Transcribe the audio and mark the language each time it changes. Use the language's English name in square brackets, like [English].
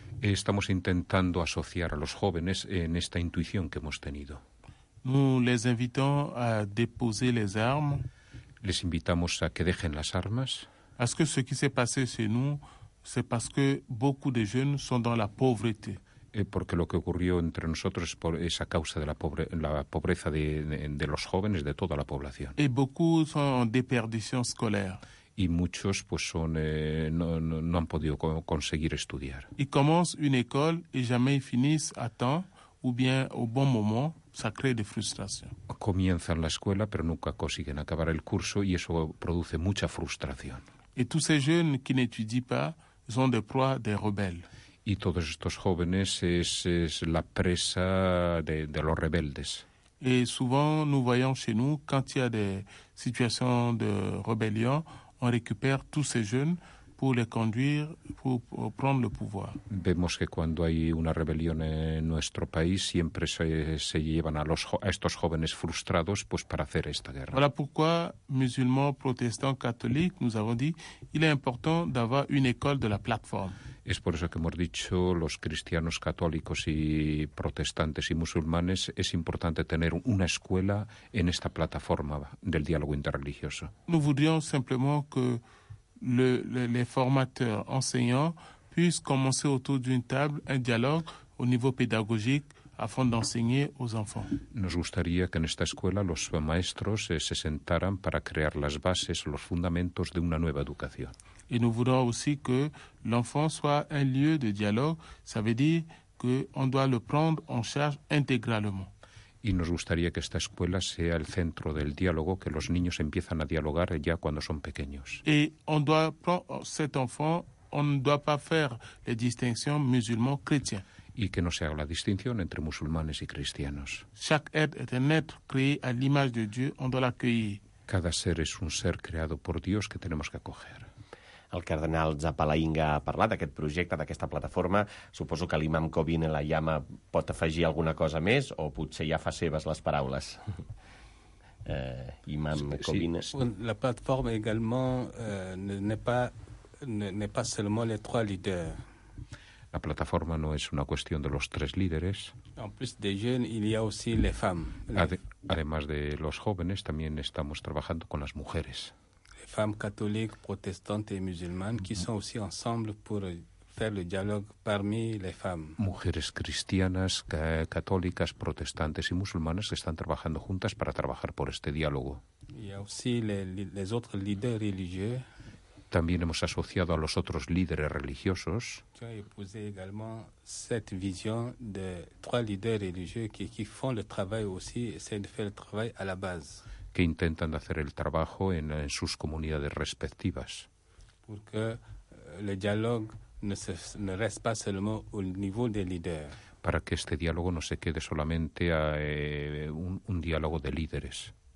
[Spanish] Estamos intentando asociar a los jóvenes en esta intuición que hemos tenido. [French] Nous les invitons à déposer les armes. [Spanish] Les invitamos a que dejen las armas. [French] Parce que ce qui s'est passé chez nous, c'est parce que beaucoup de jeunes sont dans la pauvreté. [Spanish] Porque lo que ocurrió entre nosotros es por esa causa de la pobreza de los jóvenes, de toda la población. [French] Et beaucoup sont en déperdition scolaire. [Spanish] Y muchos pues son no han podido conseguir estudiar. [French] Y commencent une école et jamais ils finissent à temps ou bien au bon moment, ça crée des frustrations. [Spanish] Comienzan la escuela pero nunca consiguen acabar el curso y eso produce mucha frustración. [French] Et tous ces jeunes qui n'étudient pas sont des proies des rebelles. [Spanish] Y todos estos jóvenes es la presa de los rebeldes. [French] Et souvent nous voyons chez nous quand il y a des situations de rébellion, on récupère tous ces jeunes pour les conduire, pour prendre le pouvoir. [Spanish] Vemos que cuando hay una rebelión en nuestro país siempre se llevan a estos jóvenes frustrados pues para hacer esta guerra. [French] Voilà pourquoi musulmans, protestants, catholiques, nous avons dit, il est important d'avoir une école de la plateforme. [Spanish] Es por eso que hemos dicho, los cristianos católicos y protestantes y musulmanes, es importante tener una escuela en esta plataforma del diálogo interreligioso. [French] Nous voudrions simplement que les formateurs, enseignants, puissent commencer autour d'une table un dialogue au niveau pédagogique afin d'enseigner aux enfants. [Spanish] Nos gustaría que en esta escuela los maestros se sentaran para crear las bases, los fundamentos de una nueva educación. [French] Et nous voulons aussi que l'enfant soit un lieu de dialogue, ça veut dire que on doit le prendre en charge intégralement. [Spanish] Y nos gustaría que esta escuela sea el centro del diálogo, que los niños empiezan a dialogar ya cuando son pequeños. [French] Et on doit prendre cet enfant, on ne doit pas faire les distinctions musulman-chrétien. [Spanish] Y que no se haga la distinción entre musulmanes y cristianos. [French] Chaque être est un être créé à l'image de Dieu, on doit l'accueillir. [Spanish] Cada ser es un ser creado por Dios que tenemos que acoger. [Catalan] El cardenal Zapalainga ha parlat d'aquest projecte, d'aquesta plataforma. Suposo que l'imam Kobin en la llama pot afegir alguna cosa més o potser ja fa seves les paraules. Imam Kobin... [French] Sí. La plataforma, également, n'est pas seulement les trois leaders. [Spanish] La plataforma no es una cuestión de los tres líderes. [French] En plus de jeunes, il y a aussi les femmes. [Spanish] Además de los jóvenes, también estamos trabajando con las mujeres. [French] Femmes catholiques, protestantes et musulmanes qui sont aussi ensemble pour faire le dialogue parmi les femmes. [Spanish] Mujeres cristianas, católicas, protestantes y musulmanes que están trabajando juntas para trabajar por este diálogo. [French] Y aussi les autres leaders religieux. [Spanish] También hemos asociado a los otros líderes religiosos. [French] Qui ont épousé également cette vision de trois leaders religieux qui font le travail aussi, essayent de faire le travail à la base. [Spanish] Que intentan hacer el trabajo en sus comunidades respectivas. Porque el diálogo no [French] reste pas seulement au niveau des leaders. [Spanish] Para que este diálogo no se quede solamente a un diálogo de líderes.